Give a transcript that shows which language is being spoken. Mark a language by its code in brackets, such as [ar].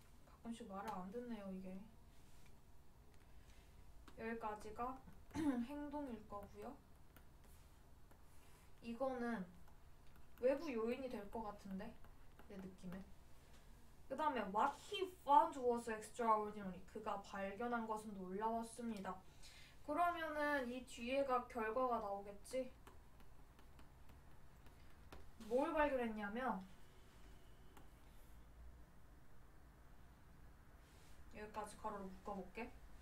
[ko] 가끔씩 말을 안 듣네요, 이게. 여기까지가 행동일 거고요. 이거는 외부 요인이 될것 같은데 내 느낌에. 그 다음에 [en] What he found was extraordinary. [ko] 그가 발견한 것은 놀라웠습니다. 그러면은 이 뒤에가 결과가 나오겠지? 뭘 발견했냐면 여기까지 가로로 묶어볼게.